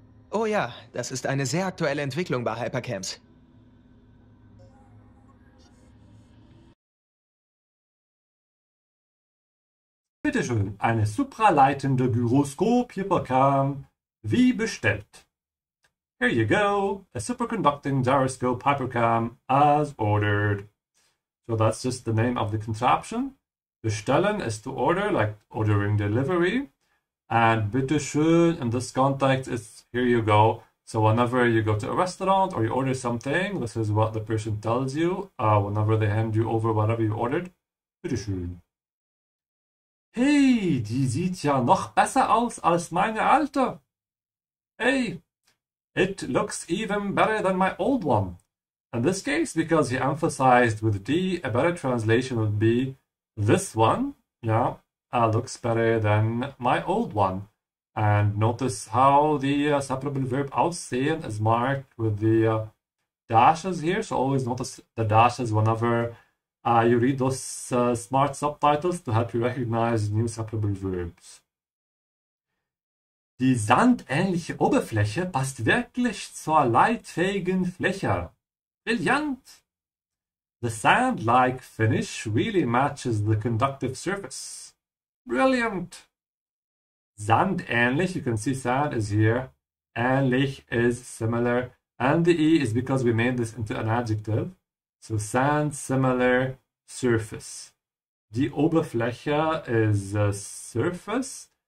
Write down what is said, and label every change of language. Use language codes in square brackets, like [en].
[de] Oh ja, das ist eine sehr aktuelle Entwicklung bei Hypercams. Bitte schön, eine supraleitende Gyroskop Hypercam, wie bestellt. [en] Here you go, a superconducting gyroscope hypercam as ordered. So that's just the name of the contraption. Bestellen is to order, like ordering delivery. And [de] bitte schön, [en] in this context, it's here you go. So whenever you go to a restaurant or you order something, this is what the person tells you whenever they hand you over whatever you ordered. [de] Bitte schön. Hey, die sieht ja noch besser aus als meine alte. [en] Hey. It looks even better than my old one. In this case, because he emphasized with D, a better translation would be this one, yeah, looks better than my old one. And notice how the separable verb aussehen is marked with the dashes here. So always notice the dashes whenever you read those smart subtitles to help you recognize new separable verbs. [de] Die sandähnliche Oberfläche passt wirklich zur leitfähigen Fläche. Brillant! [en] The sand-like finish really matches the conductive surface. Brilliant! Sandähnlich, you can see sand is here. Ähnlich is similar. And the E is because we made this into an adjective. So sand similar surface. Die Oberfläche is a surface.